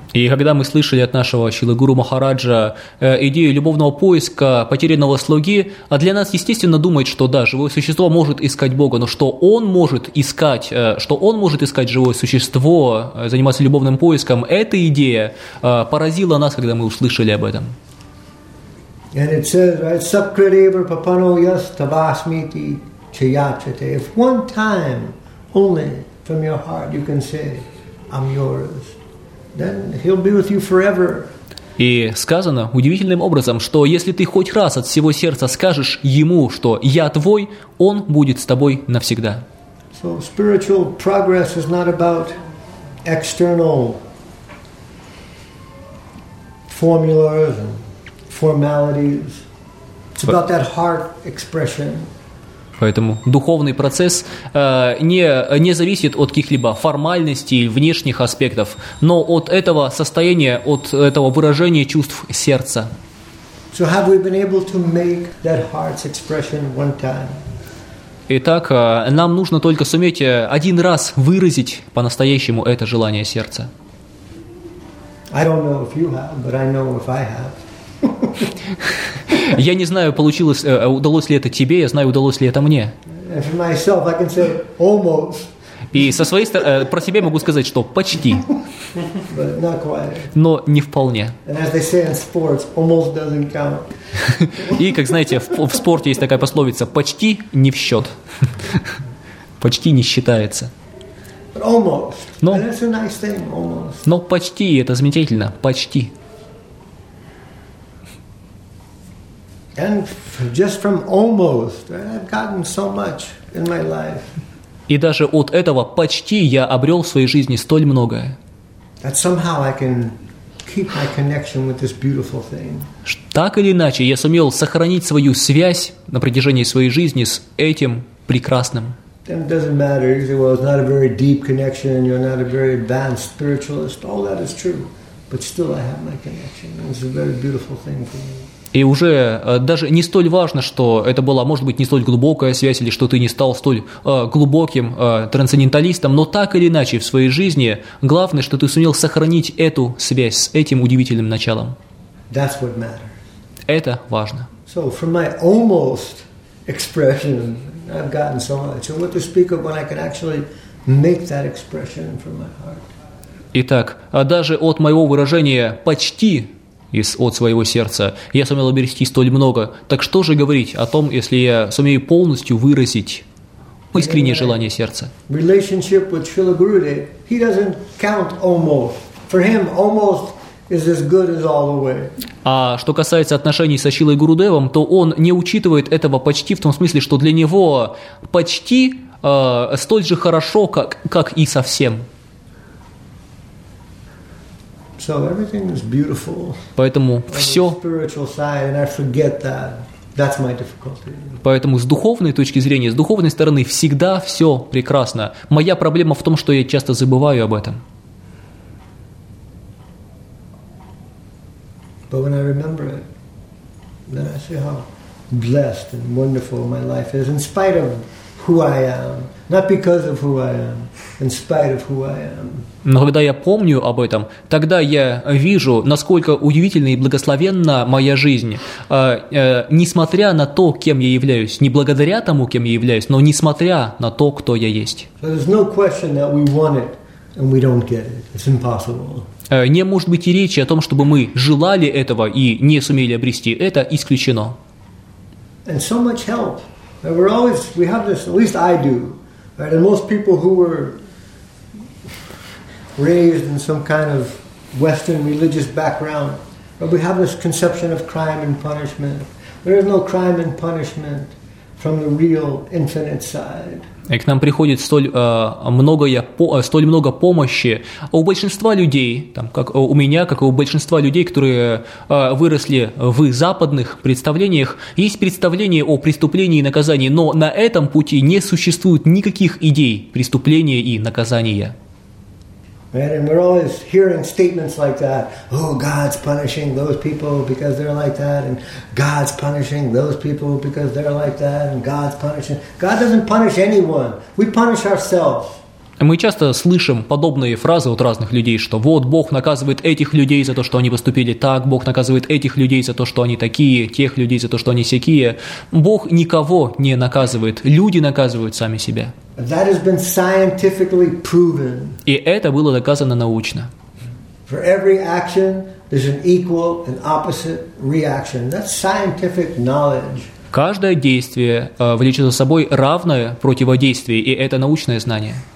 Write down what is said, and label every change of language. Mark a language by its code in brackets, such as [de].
[ru] И когда мы слышали от нашего Шрилы Гуру Махараджа идею любовного поиска потерянного слуги, а для нас естественно думать, что да, живое существо может искать Бога, но что он может искать, что он может искать живое существо, заниматься любовным поиском, эта идея поразила нас, когда мы услышали об этом. [en] And it says, right, [sa] Sakradeva Papano Yas Tavasmiti Chayachate. [en] If one time only from your heart you can say, I'm yours, then he'll be with you forever. [ru] И сказано удивительным образом, что если ты хоть раз от всего сердца скажешь ему, что я твой, он будет с тобой навсегда. [en] So spiritual progress is not about external formulas and formalities. It's about that heart expression. [ru] Поэтому духовный процесс не зависит от каких-либо формальностей, внешних аспектов, но от этого состояния, от этого выражения чувств сердца. [en] So have we been able to make that heart's expression one time? [ru] Итак, нам нужно только суметь один раз выразить по-настоящему это желание сердца. [en] I don't know if you have, but I know if I have. [ru] Я не знаю, получилось, удалось ли это тебе, я знаю, удалось ли это мне. [en] Myself, I can say almost. [ru] И со своей стороны, про себя могу сказать, что почти. [en] But not quite. [ru] Но не вполне. [en] And as they say in sports, almost doesn't count. [ru] И, как знаете, в спорте есть такая пословица, почти не в счет. Почти не считается. [en] But almost. [ru] Но, [en] and it's a nice thing, almost. [ru] Но почти, это замечательно, почти. [en] And just from almost, I've gotten so much in my life. [ru] И даже от этого почти я обрел в своей жизни столь многое. [en] That somehow I can keep my connection with this beautiful thing. [ru] Так или иначе, я сумел сохранить свою связь на протяжении своей жизни с этим прекрасным. [en] Then it doesn't matter. You say, well, it's not a very deep connection, and you're not a very advanced spiritualist. All that is true, but still, I have my connection. It's a very beautiful thing for me. [ru] И уже даже не столь важно, что это была, может быть, не столь глубокая связь, или что ты не стал столь глубоким трансценденталистом, но так или иначе в своей жизни главное, что ты сумел сохранить эту связь с этим удивительным началом. [en] That's what matters. [ru] Это важно. [en] So from my almost expression, I've gotten so much. So what to speak of when I can actually make that expression from my heart. [ru] Итак, даже от моего выражения «почти» от своего сердца, я сумел обрести столь много. Так что же говорить о том, если я сумею полностью выразить искреннее желание сердца? [en] Relationship with Srila Gurudev, he doesn't count almost. For him, almost is as good as all the way. [ru] А что касается отношений со Шрилой Гурудевом, то он не учитывает этого почти в том смысле, что для него почти столь же хорошо, как и совсем. [en] So everything is beautiful. [ru] Поэтому все. [en] Spiritual side, and I forget that. That's my difficulty. [ru] Поэтому с духовной точки зрения, с духовной стороны всегда все прекрасно. Моя проблема в том, что я часто забываю об этом. [en] But when I remember it, then I see how blessed and wonderful my life is, in spite of who I am, not because of who I am. In spite of who I am. [ru] Но когда я помню об этом, тогда я вижу, насколько удивительна и благословенна моя жизнь, несмотря на то, кем я являюсь, не благодаря тому, кем я являюсь, но несмотря на то, кто я есть. [en] So there's no question that we want it and we don't get it. It's impossible. [ru] Не может быть и речи о том, чтобы мы желали этого и не сумели обрести. Это исключено. [en] And so much help. We're always, we have this, at least I do. Right, and most people who were raised in some kind of Western religious background, but we have this conception of crime and punishment. There is no crime and punishment. from the real infinite side. [ru] И к нам приходит столь много помощи. У большинства людей, там, как у меня, как и у большинства людей, которые выросли в западных представлениях, есть представление о преступлении и наказании, но на этом пути не существует никаких идей преступления и наказания. [en] And we're always hearing statements like that. Oh, God's punishing those people because they're like that. And God's punishing those people because they're like that. And God's punishing. God doesn't punish anyone. We punish ourselves. [ru] Мы часто слышим подобные фразы от разных людей, что вот Бог наказывает этих людей за то, что они поступили так, Бог наказывает этих людей за то, что они такие, тех людей за то, что они сякие. Бог никого не наказывает, люди наказывают сами себя. [en] That has been scientifically proven. [ru] И это было доказано научно. [en] For every action, there's an equal and opposite reaction. That's scientific knowledge. [ru] Каждое действие влечет за собой равное противодействие, и это научное знание.